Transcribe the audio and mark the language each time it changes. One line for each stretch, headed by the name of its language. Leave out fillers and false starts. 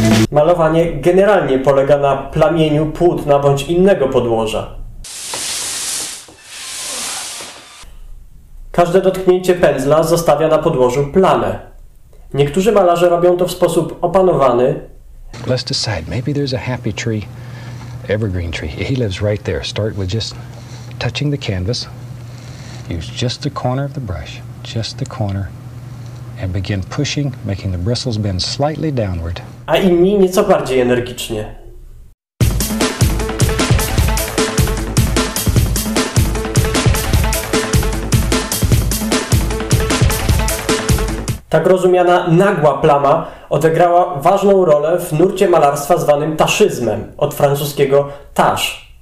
Polish: Malowanie generalnie polega na plamieniu płótna bądź innego podłoża. Każde dotknięcie pędzla zostawia na podłożu plamę. Niektórzy malarze robią to w sposób opanowany.
English: Let's decide. Maybe there's a happy tree. Evergreen tree. He lives right there. Start with just touching the canvas. Use just the corner of the brush, just the corner, and begin pushing, making the bristles bend slightly downward.
Polish: A inni nieco bardziej energicznie. Tak rozumiana nagła plama odegrała ważną rolę w nurcie malarstwa zwanym taszyzmem, od francuskiego tache.